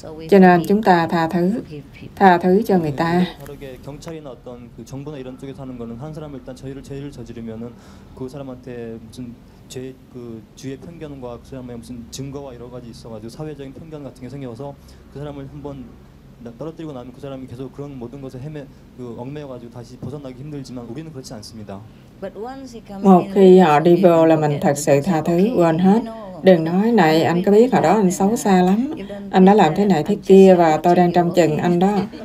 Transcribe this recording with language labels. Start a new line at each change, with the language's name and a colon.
Vietnamese: Cho nên chúng ta tha thứ cho người ta.
Korean: 다르게 경찰이나 어떤 그 정부나 이런 쪽에서 하는 거는 한 사람을 일단 죄를 저지르면은 그 사람한테 무슨 죄 그 주의 편견과 그 사람의 무슨 증거와 여러 가지 있어가지고 사회적인 편견 같은 게 생겨서 그 사람을 한번 떨어뜨리고 나면 그 사람이 계속 그런 모든 것에 헤매 그 얽매여가지고 다시 벗어나기 힘들지만 우리는 그렇지 않습니다.
Vietnamese: Một khi họ đi vô là mình thật sự tha thứ, quên hết. Đừng nói, này, anh có biết hồi đó anh xấu xa lắm. Anh đã làm thế này thế kia và tôi đang trông chừng anh đó.